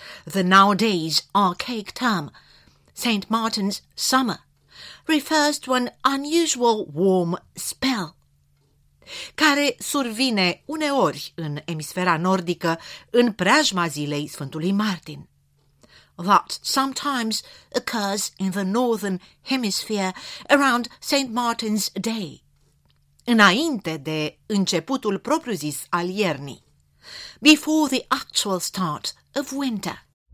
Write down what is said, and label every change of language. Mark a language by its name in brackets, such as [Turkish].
[English] The nowadays archaic term, St. Martin's Summer, refers to an unusual warm spell, [Romanian] care survine uneori în emisfera nordică în preajma zilei Sfântului Martin. [English] That sometimes occurs in the Northern Hemisphere around St. Martin's Day, [Romanian] înainte de începutul propriu-zis al iernii, [English] before the actual start of winter.